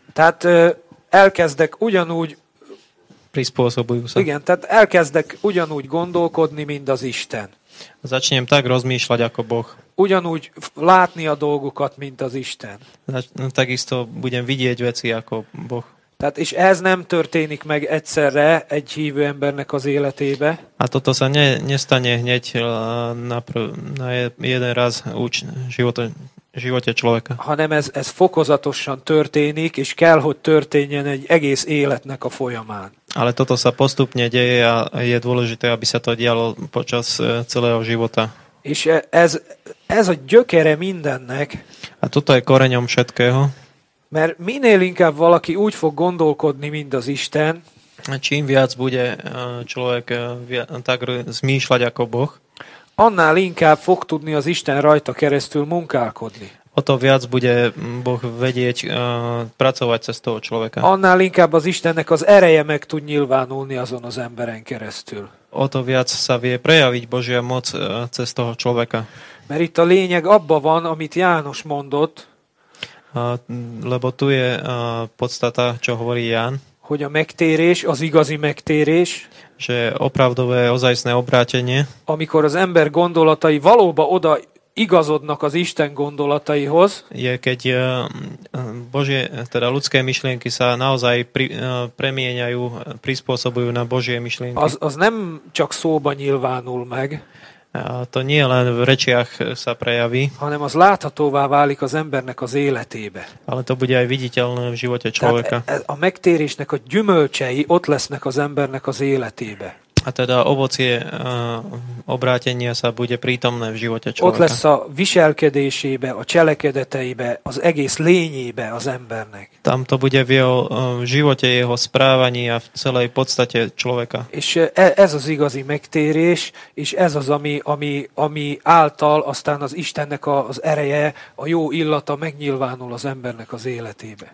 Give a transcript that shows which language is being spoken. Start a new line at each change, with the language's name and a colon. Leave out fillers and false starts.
Hungarian: Tehát elkezdek ugyanúgy igen, tehát elkezdek ugyanúgy gondolkodni, mint az Isten.
Slovak: Začnem tak rozmýšľať ako Boh.
Hungarian: Ugyanúgy látni a dolgokat, mint az Isten.
Slovak: Takisto budem vidieť veci ako Boh.
Hungarian: Tehát és ez nem történik meg egyszerre egy hívő embernek az életébe.
Slovak: A toto sa nestane hneď na jeden raz živote človeka.
Hungarian: Hanem ez fokozatosan történik, és kell, hogy történjen egy egész életnek a folyamán.
Slovak: Ale toto sa postupne deje a je dôležité, aby sa to dialo počas celého života.
Hungarian: És ez a gyökere mindennek.
Slovak: A toto je koreňom všetkého.
Hungarian: Mert minél inkább valaki úgy fog gondolkodni, mint az Isten.
Slovak: Čím viac bude človek tak zmýšľať ako Boh.
Hungarian: Annál inkább fog tudni az Isten rajta keresztül munkálkodni.
Slovak: O to viac bude Boh vedieť pracovať cez toho človeka.
Hungarian: Annál inkább az Istennek az ereje meg tud nyilvánulni azon az emberen keresztül.
Slovak: O to viac sa vie prejaviť Božia moc cez toho človeka.
Hungarian: Mert itt a lényeg abba van, amit János mondott.
Slovak: Lebo tu je podstata, čo hovorí Ján.
Hungarian: Hogy a megtérés, az igazi megtérés.
Slovak: Že opravdové, ozajstné obrátenie.
Hungarian: Amikor az ember gondolatai valóban oda igazodnak az Isten gondolataihoz.
Slovak: Je, keď Božie, teda ľudské myšlienky sa naozaj premieňajú, prispôsobujú na Božie myšlienky.
Hungarian: Az nem csak szóba nyilvánul meg.
Slovak: A to nie len v rečiach sa prejaví.
Hungarian: Hanem az láthatóvá válik az embernek az életébe.
Slovak: Ale to bude aj viditeľné v živote človeka.
Hungarian: A megtérésnek a gyümölcsei ott lesznek az embernek az életébe.
Slovak: A teda ovocie obrátenia sa bude prítomné v živote človeka.
Hungarian: Ott lesz a viselkedésébe, a cselekedeteibe, az egész lényébe az embernek.
Slovak: Tam to bude v jeho živote, jeho správaní a v celej podstate človeka.
Hungarian: És ez az igazi megtérés, és ez az, ami által aztán az Istennek az ereje, a jó illata megnyilvánul az embernek az életébe.